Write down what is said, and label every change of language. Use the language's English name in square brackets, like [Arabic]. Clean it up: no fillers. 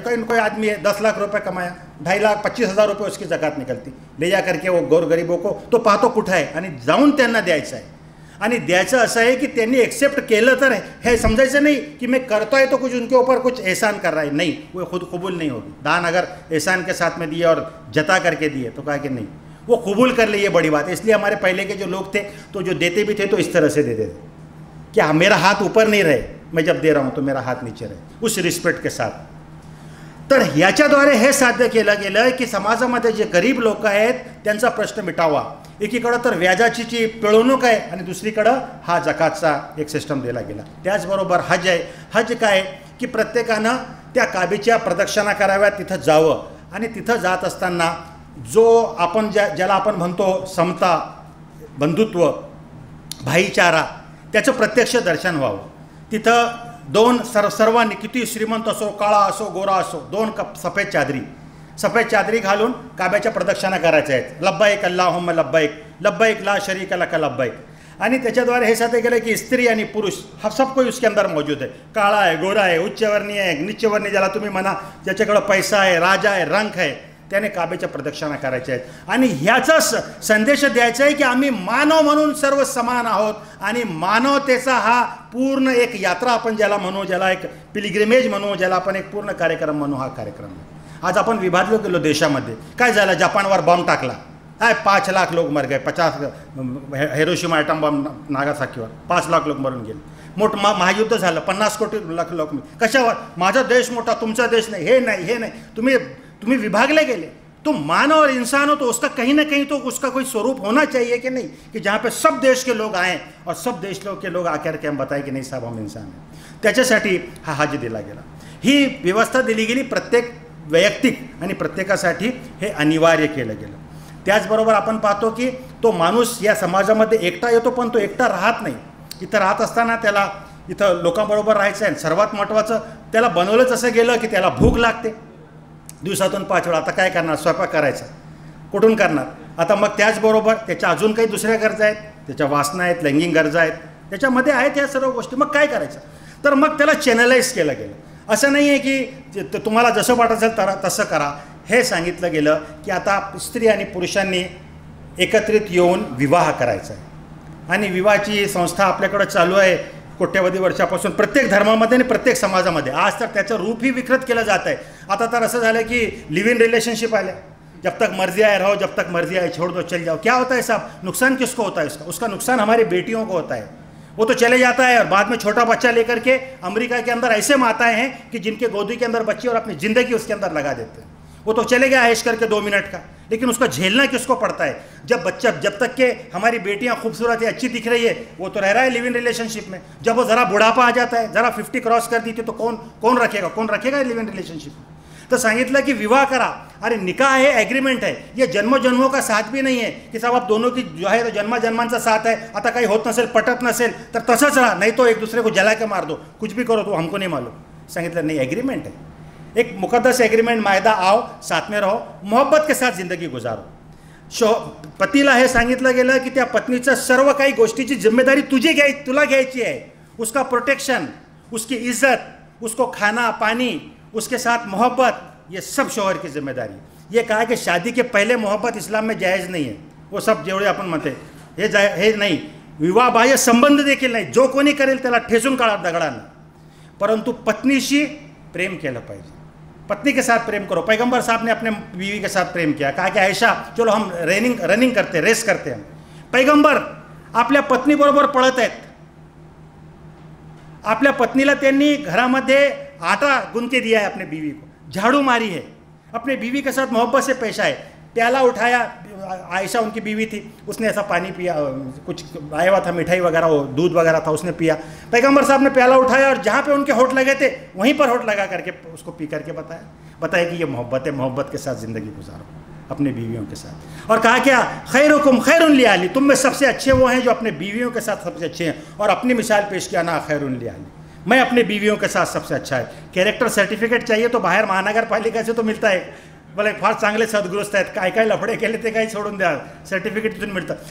[Marathi] काही काही आदमी आहे [Hindi] 10 लाख रुपये कमाया, 2,25,000 रुपये उसकी जकात निकलती, ले जा करके वो गोरगरीबों को, [Marathi] तो पाहतो कुठं आहे आणि जाऊन त्यांना द्यायचं आहे. आणि द्यायचं असं आहे की त्यांनी ॲक्सेप्ट केलं तर हे समजायचं नाही की मी करतो आहे [Hindi] तो कुछ उनके ऊपर कुछ एहसान कर रहा है, नाही वो खुद कबूल नाही होगी. दान अगर एहसान के साथ में दिए और जता करके दिए तो कहा कि नहीं वो कबूल कर ले, ये बड़ी बात है. इसलिए हमारे पहले के जो लोग थे तो जो देते भी थे तो इस तरह से देते थे कि मेरा हाथ ऊपर नहीं रहे, मैं जब दे रहा हूँ तो मेरा हाथ नीचे रहे, उस रिस्पेक्ट के साथ. [Marathi] तर ह्याच्याद्वारे हे साध्य केलं गेलं की समाजामध्ये जे गरीब लोक आहेत त्यांचा प्रश्न मिटावा. एकीकडं तर व्याजाची जी पिळवणूक आहे आणि दुसरीकडं हा जकातचा एक सिस्टम दिला गेला. त्याचबरोबर हज आहे. हज काय की प्रत्येकानं त्या काबीच्या प्रदक्षिणा कराव्या, तिथं जावं. आणि तिथं जात असताना जो आपण ज्याला आपण म्हणतो समता बंधुत्व भाईचारा, त्याचं प्रत्यक्ष दर्शन व्हावं. तिथं दोन सर्वांनी किती श्रीमंत असो, काळा असो, गोरा असो, दोन सफेद चादरी घालून काब्याच्या प्रदक्षिणा करायच्या आहेत. [Arabic] लब्बैक अल्लाहुम्म लब्बैक, लब्बैक ला शरीक लक लब्बैक. [Marathi] आणि त्याच्याद्वारे हे साध्य केलं की स्त्री आणि पुरुष हा [Hindi] सब कोई उसके अंदर मौजूद [Marathi] आहे. काळा आहे, गोरा आहे, उच्चवर्णीय आहे, नीचवर्णीय ज्याला तुम्ही म्हणा, ज्याच्याकडं पैसा आहे, राजा आहे, रंक आहे, त्याने काब्याच्या प्रदक्षिणा करायच्या आहेत. आणि ह्याचा संदेश द्यायचा आहे की आम्ही मानव म्हणून सर्व समान आहोत. आणि मानवतेचा हा पूर्ण एक यात्रा आपण ज्याला म्हणू, ज्याला एक पिलग्रिमेज म्हणू, ज्याला आपण एक पूर्ण कार्यक्रम म्हणू, हा कार्यक्रम आहे. आज आपण विभागलो गेलो देशामध्ये, काय झालं, जपानवर बॉम्ब टाकला, काय 5 लाख लोक [Hindi] मर गए, [Marathi] 50 हिरोशिमा ॲटम बॉम्ब नागासाकीवर 5 लाख लोक मरून गेले, मोठं महायुद्ध झालं, 50 कोटी लाख लोक मिळ, कशावर, माझा देश मोठा तुमचा देश नाही, हे नाही हे नाही, तुम्ही विभागले गेले. [Hindi] तो मानव और इंसान हो तो उसका कहीं ना कहीं तो उसका कोई स्वरूप होना चाहिए कि नहीं, कि जहाँ पे सब देश के लोग आएँ और सब देश के लोग आकर के हम बताएं कि नहीं साहब हम इंसान हैं. [Marathi] त्याच्यासाठी हा हज दिला गेला. ही व्यवस्था दिली गेली प्रत्येक वैयक्तिक आणि प्रत्येकासाठी, हे अनिवार्य केलं गेलं. त्याचबरोबर आपण पाहतो की तो माणूस या समाजामध्ये एकटा येतो, पण तो एकटा राहत नाही. इथं राहत असताना त्याला इथं लोकांबरोबर राहायचं आहे. सर्वात महत्त्वाचं, त्याला बनवलंच असं गेलं की त्याला भूक लागते दिवसातून 5 वेळा. आता काय करणार, स्वयंपाक करायचा, कुठून करणार. आता मग त्याचबरोबर त्याच्या अजून काही दुसऱ्या गरजा आहेत, त्याच्या वासना आहेत, लैंगिक गरजा आहेत, त्याच्यामध्ये आहेत या सर्व गोष्टी. मग काय करायचं, तर मग त्याला चॅनलाइज केलं गेलं. असं नाही आहे की तुम्हाला जसं वाटायचं तसं करा, हे सांगितलं गेलं की आता स्त्री आणि पुरुषांनी एकत्रित येऊन विवाह करायचा आहे. आणि विवाहाची संस्था आपल्याकडं चालू आहे कोट्यवधी वर्षापासून, प्रत्येक धर्मामध्ये आणि प्रत्येक समाजामध्ये. आज तर त्याचं रूपही विकृत केलं जात आहे. आता तर असं झालं की लिव्ह इन रिलेशनशिप आले, [Hindi] जब तक मर्जी आहे राहो, जब तक मर्जी आहे छोड दो, चल जाओ. क्या होता है साहब, नुकसान किसको होता है उसका, उसका नुकसान हमारी बेटियों को होता है. वो तो चले जाता है और बाद में छोटा बच्चा लेकर के अमेरिका के अंदर ऐसे माताएं हैं कि जिनके गोदी के अंदर बच्चे और अपनी जिंदगी उसके अंदर लगा देते हैं. वो तो चले गया ऐश करके 2 मिनट का, लेकिन उसको झेलना किसको पड़ता है? जब बच्चा, जब तक के हमारी बेटियां खूबसूरत है, अच्छी दिख रही है, वो तो रह रहा है लिव इन रिलेशनशिप में। जब वो जरा बुढ़ापा आ जाता है, जरा 50 क्रॉस कर दी थी, तो कौन रखेगा, कौन रखेगा लिव इन रिलेशनशिप में? [Marathi] तो सांगितलं की विवाह करा, [Hindi] अरे निकाह है, एग्रीमेंट है, ये जन्मोजन्मों का साथ भी नहीं है कि साहब आप दोनों की जो है तो जन्मांचा साथ है, [Marathi] आता कहीं होत नसेल, पटत नसेल, तर तसंच रहा, [Hindi] नहीं तो एक दूसरे को जला के मार दो, कुछ भी करो, तो हमको नहीं मालूम। सांगितलं नहीं, एग्रीमेंट है, एक मुकद्दस एग्रीमेंट, मायदा आओ, साथ में रहो, मोहब्बत के साथ जिंदगी गुजारो। [Marathi] पतीला हे सांगितलं गेलं की त्या पत्नीचं सर्व काही गोष्टीची जिम्मेदारी तुझी घ्याय, तुला घ्यायची आहे, [Hindi] उसका प्रोटेक्शन, उसकी इज्जत, उसको खाना पानी, उसके साथ मोहब्बत, ये सब शोहर की जिम्मेदारी। ये कहा कि शादी के पहले मोहब्बत इस्लाम में जायज नहीं है, [Marathi] वो सब जेवढे अपन मते हे नहीं, विवाह बाह्य संबंध देखील नाही, जो कोणी करेल त्याला ठेचून काढा दगडाने, परंतु पत्नीशी प्रेम केलं पाहिजे, [Hindi] पत्नी के साथ प्रेम करो। पैगंबर साहब ने अपने बीवी के साथ प्रेम किया, कहा कि ऐशा चलो हम रनिंग करते, रेस करते हैं। [Marathi] पैगंबर आपल्या पत्नी बरोबर पळत आहेत, आपल्या पत्नीला त्यांनी घरामध्ये [Hindi] आटा गुंथे दिया है, अपने बीवी को झाड़ू मारी है, अपने बीवी के साथ मोहब्बत से पेशा है, प्याला उठाया, आयशा उनकी बीवी थी, उसने ऐसा पानी पिया, कुछ आया हुआ था मिठाई वगैरह, दूध वगैरह था, उसने पिया, पैगंबर साहब ने प्याला उठाया और जहाँ पे उनके होठ लगे थे वहीं पर होठ लगा करके उसको पी करके बताया कि ये मोहब्बत है, मोहब्बत के साथ ज़िंदगी गुजारो अपने बीवियों के साथ। और कहा क्या, [Arabic] खैरुकुम खैरुन लियाली, [Hindi] तुम में सबसे अच्छे वो हैं जो अपने बीवियों के साथ सबसे अच्छे हैं, और अपनी मिसाल पेश किया ना, खैरुन लियाली, मैं अपने बीवियों के साथ सबसे अच्छा है। कैरेक्टर सर्टिफिकेट चाहिए तो बाहर महानगर पालिका से तो मिलता है, [Marathi] बोले फार चांगले सद्गुरुस्त आहेत, काय काय लफडे केले ते काही सोडून द्या, सर्टिफिकेट तिथून मिळतं।